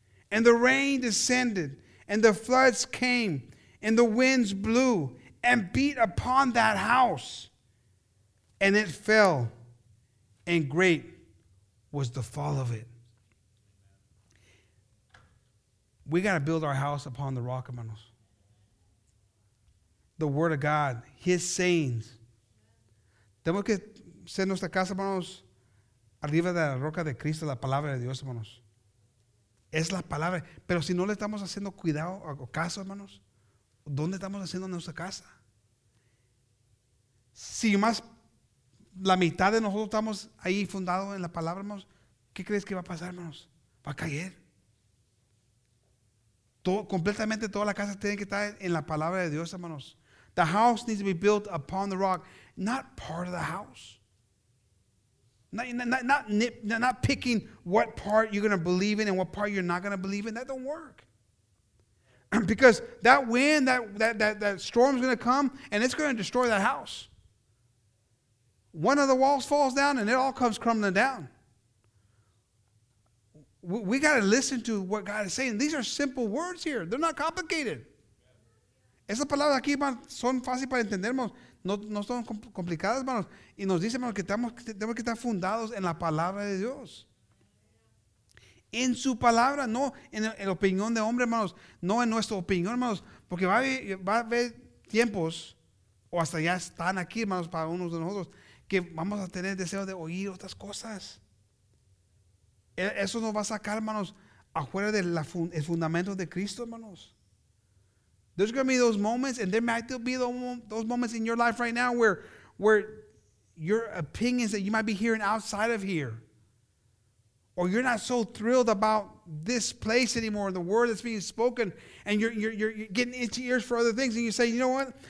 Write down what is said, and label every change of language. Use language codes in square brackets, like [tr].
[en] And the rain descended, and the floods came, and the winds blew and beat upon that house, and it fell, and great was the fall of it. We got to build our house upon the rock, hermanos. The word of God, his sayings. [es] Tenemos que ser nuestra casa, hermanos, arriba de la roca de Cristo, la palabra de Dios, hermanos. Es la palabra. Pero si no le estamos haciendo cuidado o caso, hermanos, ¿dónde estamos haciendo nuestra casa? Si más la mitad de nosotros estamos ahí fundados en la palabra, hermanos, ¿qué crees que va a pasar, hermanos? Va a caer. Todo, completamente toda la casa tiene que estar en la palabra de Dios, hermanos. [en] The house needs to be built upon the rock, not part of the house. Not picking what part you're going to believe in and what part you're not going to believe in. That don't work. Because that wind, that storm is going to come, and it's going to destroy that house. One of the walls falls down, and it all comes crumbling down. We got to listen to what God is saying. These are simple words here. They're not complicated. [es] Esas palabras aquí son fáciles para entender. No son complicadas, hermanos. Y nos dice, hermanos, que tenemos que estar fundados en la palabra de Dios. En su palabra, no en la opinión de hombre, hermanos. No en nuestra opinión, hermanos. Porque va a haber tiempos, o hasta ya están aquí, hermanos, para unos de nosotros, que vamos a tener deseo de oír otras cosas. Eso nos va a sacar, hermanos, afuera del el fundamento de Cristo, hermanos. [en] There's going to be those moments, and there might still be those moments in your life right now where your opinions that you might be hearing outside of here, or you're not so thrilled about this place anymore, the word that's being spoken, and you're getting itchy ears for other things, and you say, you know what?